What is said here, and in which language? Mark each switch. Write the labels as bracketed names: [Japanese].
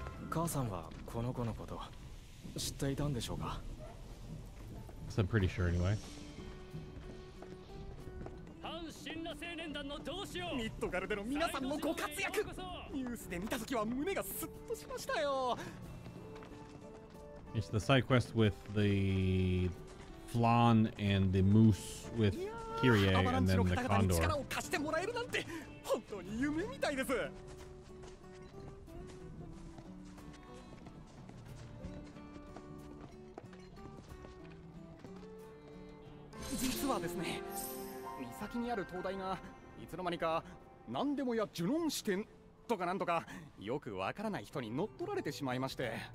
[Japanese] 母さんはこの子のこと知っていたんでしょうか。 [English] So I'm pretty sure anyway. [Japanese] 反神羅青年団のどうしよう。ミッドガルでの皆さんのご活躍、ニュースで見たときは胸がスッとしましたよ。 [English] It's the side quest with the flan and the moose with Kyrie and then the condor. [Japanese] 力を貸してもらえるなんて本当に夢みたいです。実はですね、岬にある灯台がいつの間にか何でもやジュノン支店とかなんとかよくわからない人に乗っ取られてしまいまして。